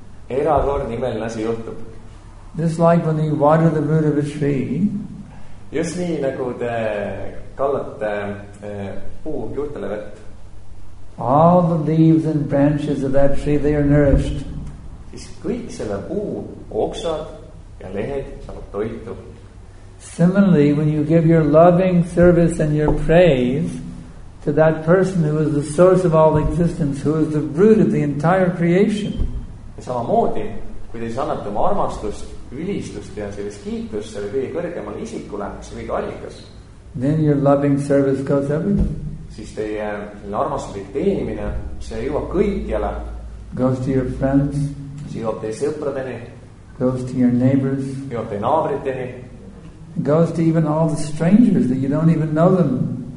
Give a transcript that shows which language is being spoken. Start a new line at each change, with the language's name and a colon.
Estonian: Erakord nimel asi juhtub.
English: Just like when you water the root of a tree.
Estonian: Just nii, nagu te kallate puu juurtele vett.
English: All the leaves and branches of that tree, they are nourished.
Estonian: Siis kõik selle puu oksad ja lehed saavad toitu.
English: Similarly, when you give your loving service and your praise to that person who is the source of all existence, who is the root of the entire creation.
Estonian: Ja samamoodi, kui te siis annate oma armastust, ülistust ja sellest kiitust selle kõige kõrgemal isikule, see kõige allikas.
English: Then your loving service goes everywhere.
Estonian: Siis teie armastuslik teenimine, see jõuab kõikjale.
English: Goes to your friends.
Estonian: See jõuab teie sõpradeni.
English: Goes to your neighbors.
Estonian: Jõuab teie naabriteni.
English: Goes to even all the strangers that you don't even know them.